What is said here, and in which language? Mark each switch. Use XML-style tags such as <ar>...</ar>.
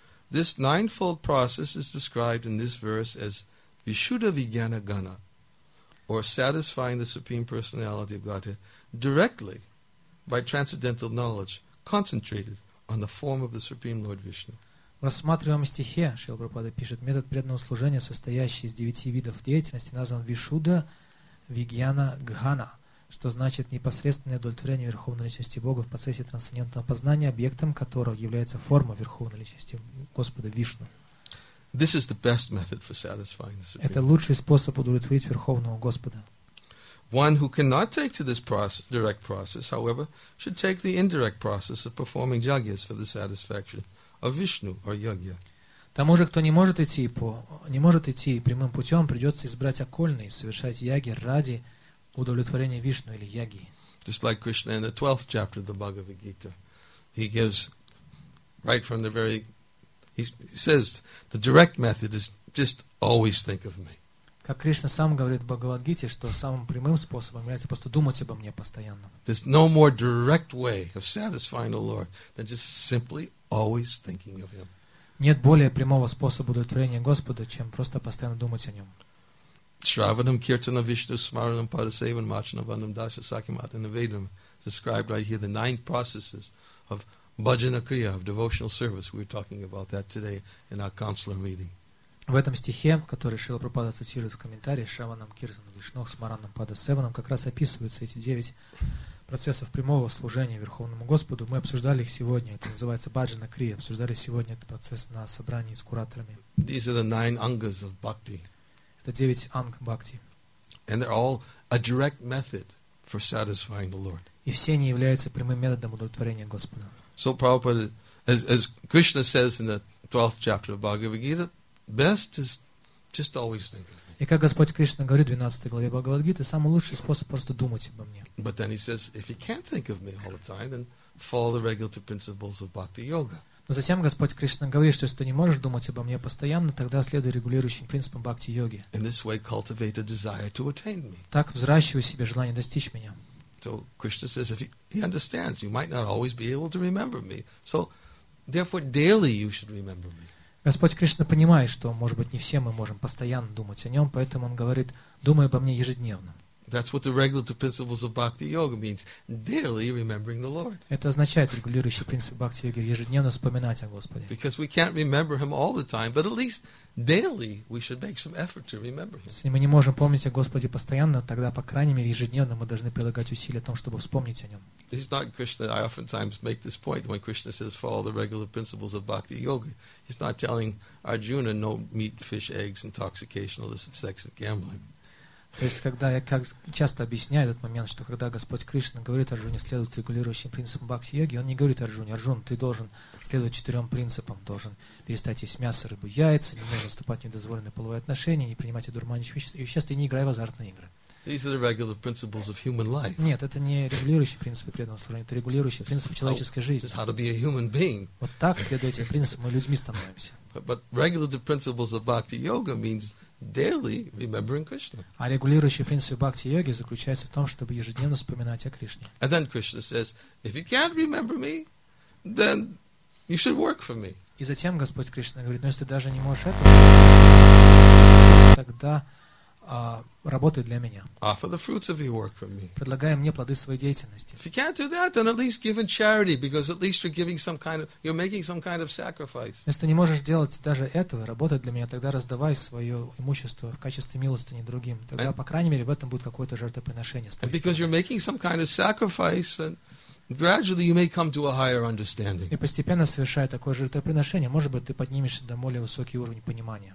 <en>This ninefold process is described in this verse as Vishuddha Vijnana Gana. Or satisfying the Supreme Personality of Godhead directly by transcendental knowledge concentrated on the form of the Supreme Lord Vishnu.</en> <ru>В рассматриваемом стихе Шрила Прабхупада пишет, метод преданного служения, состоящий из 9 видов деятельности, назван Вишуда Вигьяна Гхана, что значит непосредственное удовлетворение Верховной Личности Бога в процессе трансцендентного познания, объектом которого является форма Верховной Личности Господа Вишну.</ru> <en>This is the best method for satisfying the Supreme.</en> <ru>Это лучший способ удовлетворить Верховного Господа.</ru> <en>One who cannot take to this direct process, however, should take the indirect process of performing yagyas for the satisfaction of Vishnu or yagya.</en> <ru>Тому же, кто не может идти прямым путем, придется избрать окольный, совершать яги ради удовлетворения Вишну или яги.</ru> <en>Just like Krishna in the 12th chapter of the Bhagavad Gita, he gives right from the very, he says the direct method is just always think of me.</en> <ru>Как Кришна сам говорит в Бхагавад-гите, что самым прямым способом является просто думать обо мне постоянно.</ru> <en>There's no more direct way of satisfying the Lord than just simply always thinking of Him.</en> <ru>Нет более прямого способа удовлетворения Господа, чем просто постоянно думать о Нем.</ru> <sa>Shravanam kirtanam vishnu smaranam parasevam machanam vandam dasha sakyam atana vedam</sa> <en>described right here the 9 processes of bhajana kriya, of devotional service. We're talking about that today in our counselor meeting.</en> <ru>В этом стихе, который Шрила Прабхупада цитирует в комментарии, Шраванам Киртанам Вишнух Смаранам Падасеванам, как раз описываются эти 9 процессов прямого служения Верховному Господу. Мы обсуждали их сегодня. Это называется Баджана Крия. Обсуждали сегодня этот процесс на собрании с кураторами.</ru> <en>These are the 9 ангас of bhakti.</en> <ru>Это 9 анг бхакти.</ru> <en>And they're all a direct method for satisfying the Lord.</en> <ru>И все они являются прямым методом удовлетворения Господа.</ru> <en>So Prabhupada, as Krishna says in the 12th chapter of Bhagavad Gita, best is just always think of me.</en> <ru>И как Господь Кришна говорит в 12 главе Бхагавад-гиты, самый лучший способ просто думать обо мне.</ru> <en>But then he says, if you can't think of me all the time, then follow the regulative principles of bhakti yoga.</en> <ru>Но затем Господь Кришна говорит, что если ты не можешь думать обо мне постоянно, тогда следуй регулирующим принципам бхакти йоги.</ru> <en>In this way, cultivate a desire to attain me.</en> <ru>Так взращивай себе желание достичь меня.</ru> <en>So Krishna says, if he understands, you might not always be able to remember me. So therefore, daily you should remember me.</en> <ru>Господь Кришна понимает, что, может быть, не все мы можем постоянно думать о Нем, поэтому Он говорит, думай обо мне ежедневно.</ru> <en>That's what the regulative principles of bhakti yoga means, daily remembering the Lord.</en> <ru>Это означает регулирующий принцип бхакти йоги, ежедневно вспоминать о Господе.</ru> <en>Because we can't remember Him all the time, but at least daily we should make some effort to remember Him.</en> <ru>Если мы не можем помнить о Господе постоянно, тогда, по крайней мере, ежедневно мы должны прилагать усилия о том, чтобы вспомнить о Нем.</ru> <en>He's not Krishna. I oftentimes make this point when Krishna says follow the regular principles of bhakti yoga. He's not telling Arjuna no meat, fish, eggs, intoxication, illicit sex and gambling.</en> <ru>То есть, когда я как часто объясняю этот момент, что когда Господь Кришна говорит Арджуне следовать регулирующим принципам бхакти-йоги, Он не говорит Арджуне, Арджун, ты должен следовать 4 принципам, должен перестать есть мясо, рыбу, яйца, не нужно вступать в недозволенные половые отношения, не принимать одурманивающие вещества и не играй в азартные игры.</ru> <en>These are the regular principles of human life.</en> <ru>Нет, это не регулирующие принципы преданного служения, это регулирующие принципы человеческой жизни.</ru> <en>How to be a human being.</en> <ru>Вот так, следуя этим принципам, мы людьми становимся.</ru> <en>But regulative principles of bhakti-yoga means daily remembering Krishna.</en> <ru>А регулирующий принцип бхакти йоги заключается в том, чтобы ежедневно вспоминать о Кришне.</ru> <en>And then Krishna says, if you can't remember me, then you should work for me.</en> <ru>И затем Господь Кришна говорит, но если ты даже не можешь это, тогда работай для меня.</ru> <en>Offer the fruits of your work for me.</en> <ru>Предлагай мне плоды своей деятельности.</ru> <en>If you can't do that, then at least give in charity, because at least you're giving some kind of, you're making some kind of sacrifice.</en> <ru>Если не можешь сделать даже этого, работай для меня, тогда раздавай свое имущество в качестве милостыни другим. Тогда, по крайней мере, в этом будет какое-то жертвоприношение.</ru> <en>And because you're making some kind of sacrifice, then gradually you may come to a higher understanding.</en> <ru>И постепенно совершая такое жертвоприношение, может быть, ты поднимешься до более высокий уровень понимания.</ru>